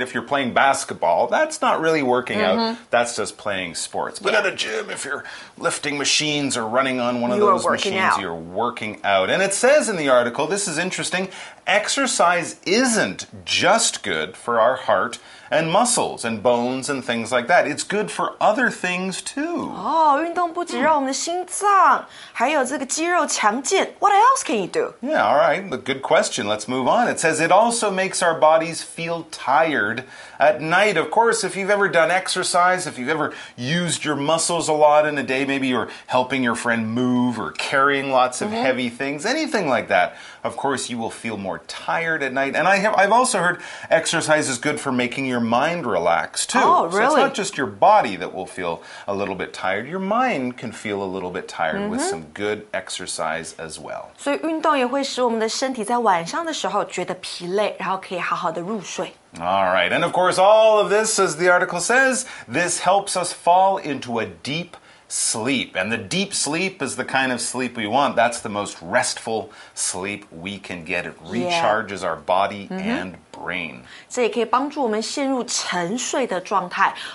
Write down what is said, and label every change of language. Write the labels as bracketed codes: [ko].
[en] If you're playing basketball, that's not really working out. That's just playing sports. But at a gym, if you're lifting machines or running on one of those machines, you're working out. And it says in the article, this is interesting, exercise isn't just good for our heart and muscles and bones and things like that. It's good for other things too. [zh] Oh, 运动不只让我们的心脏还有这个肌肉强健。 [en] What else can you do? Yeah, all right. Good question. Let's move on. It says it also makes our bodies feel tired at night. Of course, if you've ever done exercise, if you've ever used your muscles a lot in a day, maybe you're helping your friend move or carrying lots of heavy things, anything like that, of course, you will feel more tired at night. And I've also heard exercise is good for making your mind relax, too. Oh, really? So it's not just your body that will feel a little bit tired. Your mind can feel a little bit tired with some good exercise as well. [zh] 所以运动也会使我们的身体在晚上的时候觉得疲累，然后可以好好的入睡。 [en] All right. And of course, all of this, as the article says, this helps us fall into a deep sleep. And the deep sleep is the kind of sleep we want. That's the most restful sleep we can get. It recharges our body and brain. [zh] 这也可以帮助我们陷入沉睡的状态。